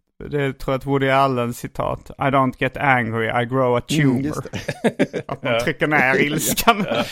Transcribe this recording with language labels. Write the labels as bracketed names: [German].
[Swedish] Det tror jag att Woody Allen citat. [English] I don't get angry, I grow a tumor. [Swedish] Att man trycker ner ilskan.